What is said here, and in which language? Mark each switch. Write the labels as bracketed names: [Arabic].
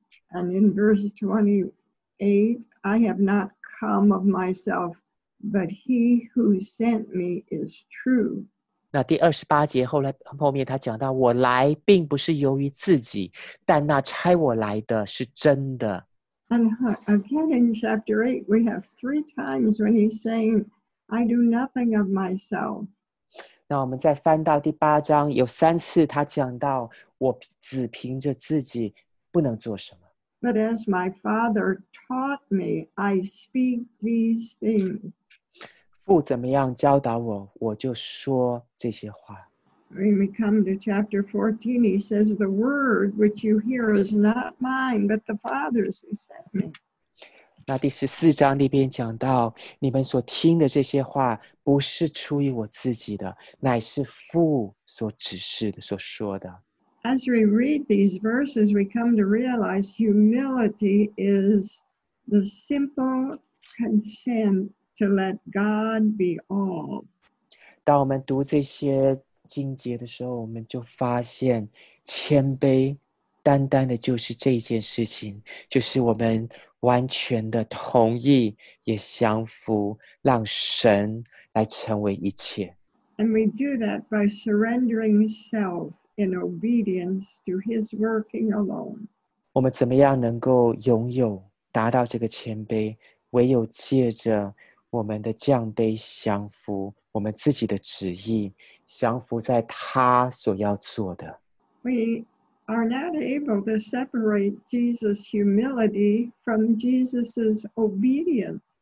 [English] And in verse 28, I have not come of myself, but he who sent me is true. [Chinese] 那第二十八节后面他讲到，我来并不是由于自己，但那差我来的是真的。 [English] And again in chapter 8, we have 3 times when he's saying,I do nothing of myself. [Chinese] 那我们再翻到第八章，有三次他讲到，我只凭着自己不能做什么。 [English] But as my father taught me, I speak these things. [Chinese] 父怎么样教导我，我就说这些话。 [English] When we come to chapter 14, he says, the word which you hear is not mine, but the Father's who sent me. [Chinese] 那第十四章那边讲到，你们所听的这些话不是出于我自己的，乃是父所指示的、所说的。 [English] As we read these verses, we come to realize humility is the simple consent to let God be all. [Chinese] 当我们读这些经节的时候，我们就发现谦卑单单的就是这件事情，就是我们完全的同意也降服，让神来成为一切。 [English] And we do that by surrendering self in obedience to his working alone. [Chinese] 我们怎么样能够拥有达到这个谦卑，唯有借着我们的降卑降服我们自己的旨意，降服在他所要做的。 [English] We are not able to separate Jesus' humility from Jesus' obedience.